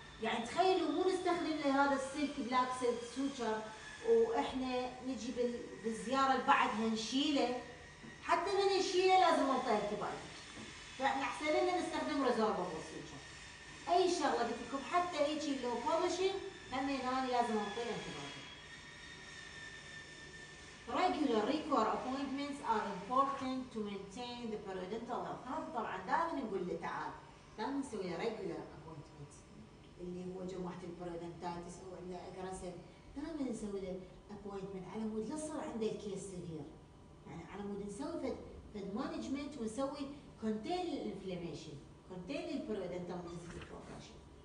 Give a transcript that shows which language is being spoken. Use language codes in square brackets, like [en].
[ar] يعني تخيلوا مو نستخدم له هذا السلك بلاك سيلك سوتشر واحنا نجي بالزياره اللي بعدها نشيله، حتى من نشيله لازم نعطيه التبايد، فاحنا احسن لنا نستخدم ريزوربابل سوتشر. اي شغله قلت لكم حتى هيك لو بولشن همين انا لازم اعطيه التبايد. [en] Regular recurring appointments are important to maintain the periodontal health. [ar] طبعا دائما نقول له تعال دائما نسوي regular appointments اللي هو جماعه البريودنتايتس او عنده اجريسيف، دائما نسوي له appointment على مود لا صار عنده الكيس سيفير، يعني على مود نسوي فد مانجمنت ونسوي contain الانفلاميشن، contain البريودنتال ديزيز بروفيشن.